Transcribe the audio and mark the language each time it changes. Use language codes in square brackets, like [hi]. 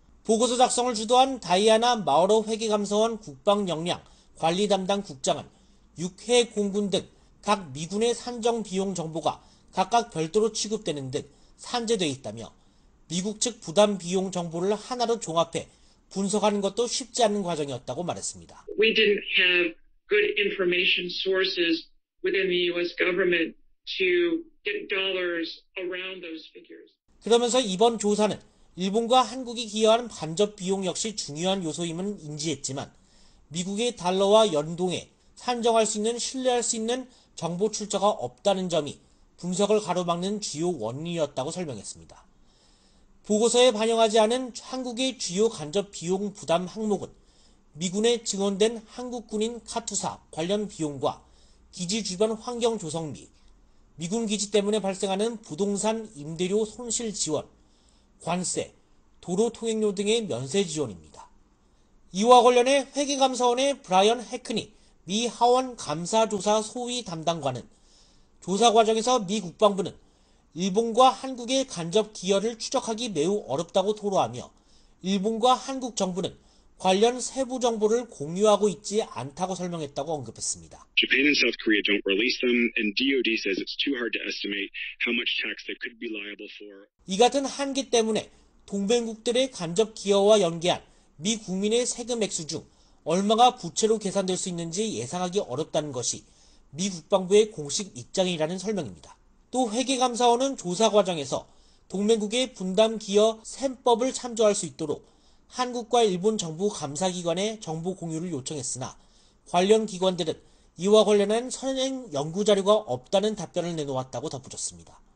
[ko] 보고서 작성을 주도한 다이아나 마우로 회계감사원 국방역량 관리 담당 국장은 육해 공군 등 각 미군의 산정 비용 정보가 각각 별도로 취급되는 등 산재되어 있다며 미국 측 부담 비용 정보를 하나로 종합해 분석하는 것도 쉽지 않은 과정이었다고 말했습니다. [en] We didn't have good information sources within the US government to get dollars around those figures. [ko] 그러면서 이번 조사는 일본과 한국이 기여한 간접 비용 역시 중요한 요소임은 인지했지만 미국의 달러와 연동해 산정할 수 있는 신뢰할 수 있는 정보 출처가 없다는 점이 분석을 가로막는 주요 원인이었다고 설명했습니다. 보고서에 반영하지 않은 한국의 주요 간접 비용 부담 항목은 미군에 증원된 한국군인 카투사 관련 비용과 기지 주변 환경 조성비, 미군 기지 때문에 발생하는 부동산 임대료 손실 지원, 관세, 도로 통행료 등의 면세 지원입니다. 이와 관련해 회계감사원의 브라이언 해크니 미 하원 감사조사 소위 담당관은 조사 과정에서 미 국방부는 일본과 한국의 간접 기여를 추적하기 매우 어렵다고 토로하며 일본과 한국 정부는 관련 세부 정보를 공유하고 있지 않다고 설명했다고 언급했습니다. [en] Japan and South Korea don't release them, and DOD says it's too hard to estimate how much tax they could be liable for. [ko] 이 같은 한계 때문에 동맹국들의 간접 기여와 연계한 미 국민의 세금 액수 중 얼마가 부채로 계산될 수 있는지 예상하기 어렵다는 것이 미 국방부의 공식 입장이라는 설명입니다. 또 회계감사원은 조사 과정에서 동맹국의 분담 기여 셈법을 참조할 수 있도록 한국과 일본 정부 감사기관에 정보 공유를 요청했으나 관련 기관들은 이와 관련한 선행 연구 자료가 없다는 답변을 내놓았다고 덧붙였습니다.